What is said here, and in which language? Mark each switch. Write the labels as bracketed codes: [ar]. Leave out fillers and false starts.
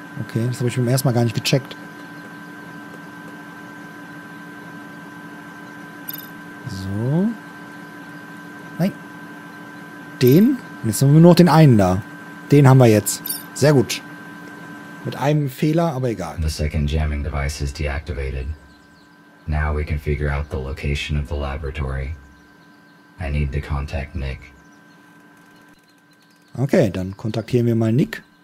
[de] Okay, das habe ich beim ersten Mal gar nicht gecheckt. So. Nein. Den? Und jetzt haben wir nur noch den einen da. Den haben wir jetzt. Sehr gut. Mit einem Fehler, aber egal. [en] The second jamming device is deactivated. Now we can figure out the location of the laboratory. I need to contact Nick. [de] Okay, dann kontaktieren wir mal Nick.